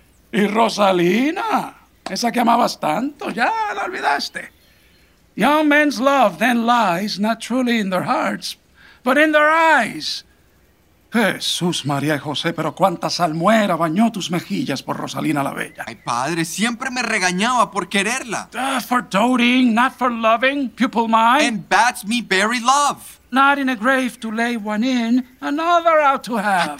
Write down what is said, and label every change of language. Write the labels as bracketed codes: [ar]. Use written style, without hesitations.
[es] Y Rosalina, esa que amabas tanto, ya la olvidaste. [en] Young men's love then lies not truly in their hearts, but in their eyes. [es] Jesús, María y José, pero cuánta salmuera bañó tus mejillas por Rosalina la Bella. Ay, padre, siempre me regañaba por quererla. [en] For doting, not for loving, pupil mine. And bats me bury love. Not in a grave to lay one in, another out to have.